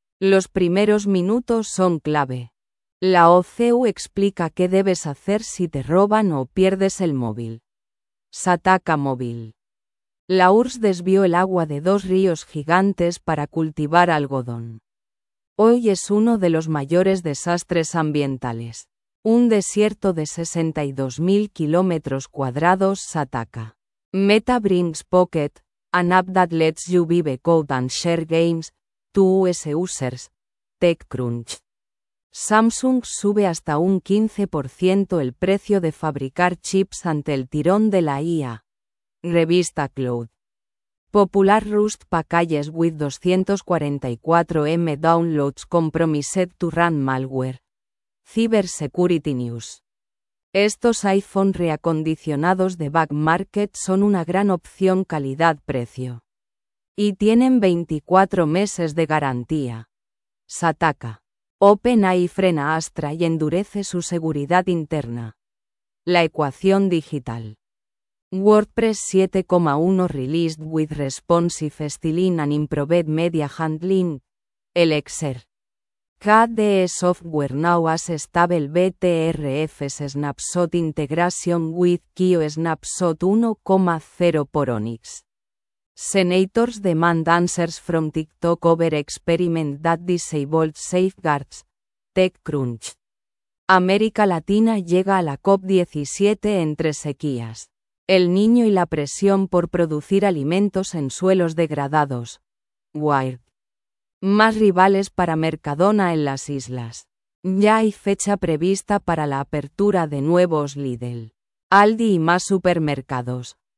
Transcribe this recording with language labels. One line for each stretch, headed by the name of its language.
Spanish: Los primeros minutos son clave. La OCU explica qué debes hacer si te roban o pierdes el móvil. Sataka móvil. La URSS desvió el agua de dos ríos gigantes para cultivar algodón. Hoy es uno de los mayores desastres ambientales. Un desierto de 62.000 kilómetros cuadrados Sataka.
English: Meta brings Pocket, an app that lets you vive code and share games, to US users. TechCrunch.
Spanish: Samsung sube hasta un 15% el precio de fabricar chips ante el tirón de la IA. Revista Cloud.
English: Popular Rust packages with 244 M downloads compromised to run malware. Cyber Security News.
Spanish: Estos iPhone reacondicionados de Back Market son una gran opción calidad-precio. Y tienen 24 meses de garantía. Sataka. OpenAI frena Astra y endurece su seguridad interna. La ecuación digital.
English: WordPress 7.1 released with responsive styling and improved media handling. Elixir. KDE Software now has stable BTRFS snapshot integration with Kio Snapshot 1.0
Spanish: por Onyx.
English: Senators demand answers from TikTok over experiment that disabled safeguards. TechCrunch.
Spanish: América Latina llega a la COP17 entre sequías. El niño y la presión por producir alimentos en suelos degradados. Wired. Más rivales para Mercadona en las islas. Ya hay fecha prevista para la apertura de nuevos Lidl, Aldi y más supermercados.